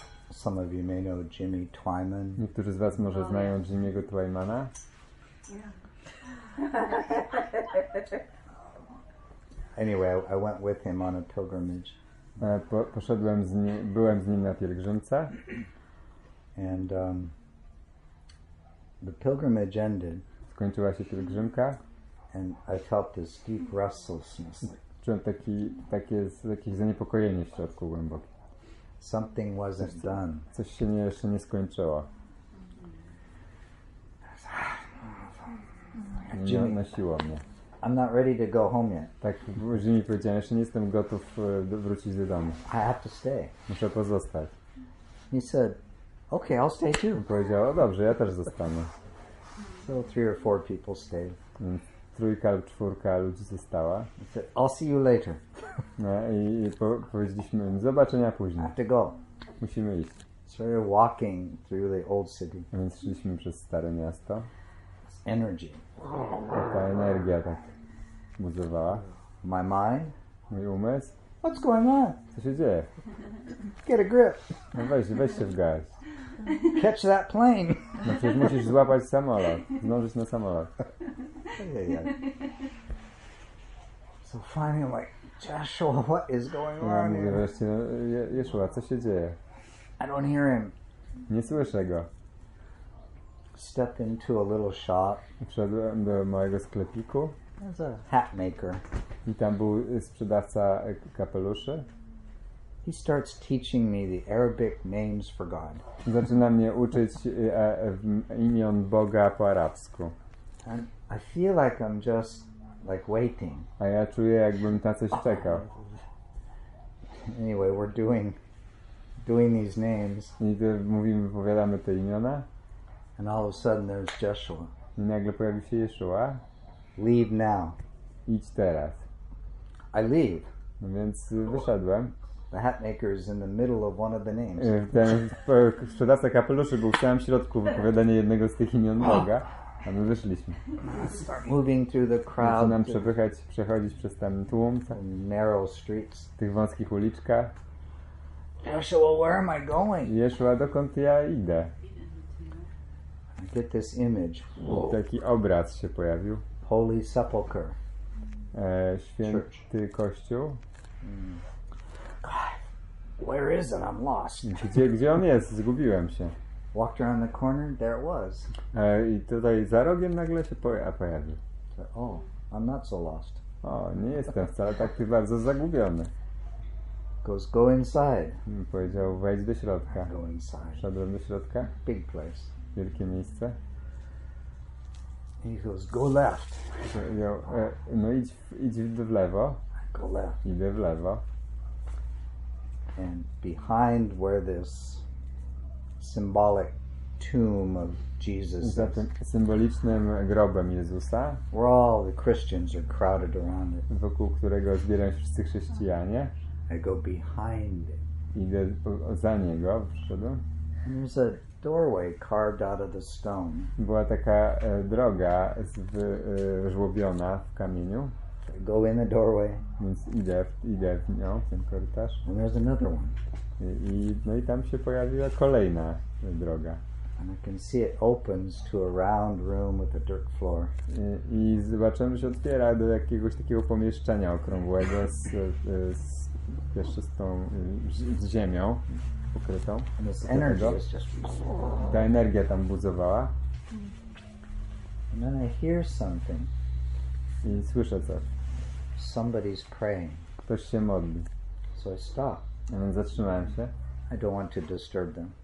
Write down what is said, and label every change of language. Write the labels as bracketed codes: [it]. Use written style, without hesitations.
[en] Some of you may know Jimmy Twyman. [pl] Niektórzy z was może znają Jimmy'ego Twymana. [en] Anyway, I went with him on a pilgrimage. [pl] Poszedłem z nim, byłem z nim na pielgrzymce. [en] And the pilgrimage ended. [pl] Skończyła się pielgrzymka. [en] And I felt this deep restlessness. [pl] Czułem takie jakieś zaniepokojenie w środku głębokie. [en] Something wasn't done. [pl] Coś się jeszcze nie skończyło. Nie nosiło mnie. [en] I'm not ready to go home yet. [pl] Tak, Jimmy powiedział, jeszcze nie jestem gotów wrócić do domu. [en] I have to stay. [pl] Muszę pozostać. [en] He said, okay, I'll stay too. [pl] On powiedział, dobrze, ja też zostanę. [en] So three or four people stayed. [pl] Trójka lub czwórka ludzi została. [en] I'll see you later. [pl] No i powiedzieliśmy im, zobaczenia później. [en] I have to go. [pl] Musimy iść. [en] So we're walking through the old city. [pl] A więc szliśmy przez stare miasto. [en] It's energy. [pl] Ta energia tak buzowała. [en] My mind. [pl] Mój umysł. [en] What's going on? [pl] Co się dzieje? [en] Get a grip. [pl] No weź się w garść. [en] Catch that plane. [pl] No przecież musisz złapać samolot. Zdążyć na samolot. [en] So finally I'm like, Joshua, what is going on here? [pl] Mówię wreszcie, no, Joshua, co się dzieje? [en] I don't hear him. [pl] Nie słyszę go. [en] Step into a little shop. [pl] Wszedłem do mojego sklepiku. [en] There's a hat maker. [pl] I tam był sprzedawca kapeluszy. [en] He starts teaching me the Arabic names for God. [pl] Zaczyna mnie uczyć imion Boga po arabsku. [en] And I feel like I'm just like waiting. [pl] A ja czuję, jakbym na coś czekał. [en] Anyway, we're doing these names. [pl] I to mówimy, wypowiadamy te imiona. [en] And all of a sudden there's Joshua. [pl] I nagle pojawi się Joshua. [en] Leave now. [pl] Idź teraz. [en] I leave. [pl] No więc wyszedłem. [en] The hat maker is in the middle of one of the names. [pl] Ten sprzedawca kapeluszy był w samym środku wypowiadania jednego z tych imion Boga. A my wyszliśmy. [en] Start moving through the crowd. [pl] Zaczynam przechodzić przez ten tłum. [en] Narrow streets. [pl] Tych wąskich uliczkach. [en] Joshua, where am I going? [pl] Joshua, dokąd ja idę? [en] Get this image. [pl] I taki obraz się pojawił. [en] Holy Sepulchre. [pl] Święty Church. Kościół. [en] God, where is it? I'm lost. [pl] Gdzie on jest? Zgubiłem się. [en] Walked around the corner, there it was. [pl] I tutaj za rogiem nagle się pojawił. [en] Oh, I'm not so lost. [pl] O, nie jestem wcale tak bardzo zagubiony. [en] Goes, go inside. [pl] Powiedział, wejdź do środka. [en] Go inside. [pl] Szedłem do środka. [en] Big place. [pl] Wielkie miejsce. [en] He goes, go left. [pl] No idź w lewo. [en] Go left. [pl] Idę w lewo. [en] And behind where this symbolic tomb of Jesus. [pl] Za tym symbolicznym grobem Jezusa. [en] Where all the Christians are crowded around it. [pl] Wokół którego zbierają się wszyscy chrześcijanie. [en] I go behind it. [pl] Idę za niego, przyszedłem. [en] And there's a doorway carved out of the stone. [pl] Była taka droga wyżłobiona w kamieniu. [en] So go in the doorway. [pl] Więc idę w nią, ten korytarz. [en] And there's another one. [pl] I tam się pojawiła kolejna droga. [en] And I can see it opens to a round room with a dirt floor. [pl] I zobaczyłem, że się otwiera do jakiegoś takiego pomieszczenia okrągłego z piaszczystą z ziemią pokrytą. [en] And this energy is just... [pl] Ta energia tam buzowała. [en] And then I hear something. [pl] I słyszę coś. [en] Somebody's praying. [pl] Ktoś się modli. [en] So I stop. [pl] A więc zatrzymałem się. [en] I don't want to disturb them.